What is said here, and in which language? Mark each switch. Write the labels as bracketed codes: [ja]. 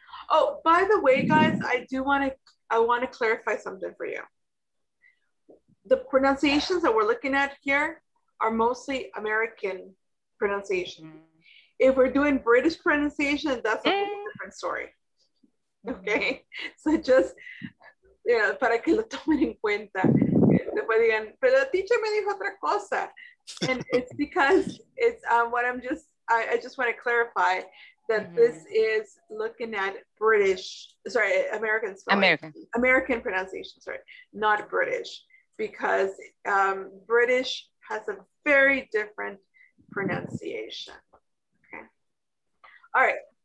[en] Oh, by the way, guys, I want to clarify something for you. The pronunciations that we're looking at here are mostly American pronunciation. If we're doing British pronunciation, that's a whole different story. Okay. So just [es] para que lo tomen en cuenta. [en] But the teacher [es] me dijo otra cosa. [en] And it's because it's I just want to clarify that this is looking at American spelling. American pronunciation, sorry, not British. Because British has a very different pronunciation. Okay. All right.